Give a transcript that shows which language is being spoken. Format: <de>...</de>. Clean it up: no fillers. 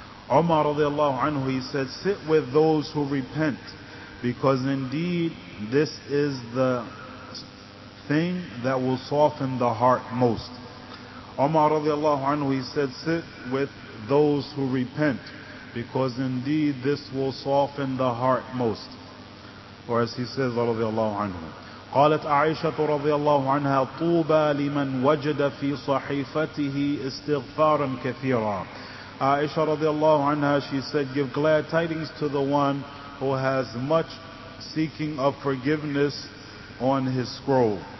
<en>Umar radiallahu anhu, he said, sit with those who repent, because indeed this is the thing that will soften the heart most. Umar radiallahu anhu, he said, sit with those who repent, because indeed this will soften the heart most. Or as he says, radiallahu anhu.</en> <ar>قالت عائشة رضي الله عنها طوبى لمن وجد في صحيفته استغفارا كثيرا.</ar> <en>Aisha radiallahu anha, she said, give glad tidings to the one who has much seeking of forgiveness on his scroll.</en>